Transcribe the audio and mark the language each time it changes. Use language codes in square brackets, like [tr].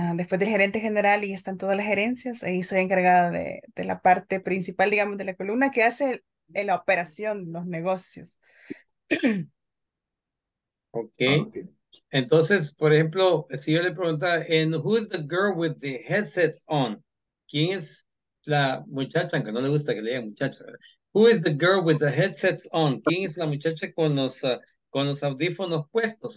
[es] Después del gerente general, y están todas las gerencias, ahí soy encargada de la parte principal, digamos, de la columna, que hace en la operación, los negocios. [en] Okay. [es] Entonces, por ejemplo, si yo le preguntara, [en] and who's the girl with the headset on? [es] ¿Quién es la muchacha? Aunque no le gusta que le diga muchacha. [en] Who is the girl with the headsets on? [es] ¿Quién es la muchacha con los audífonos puestos?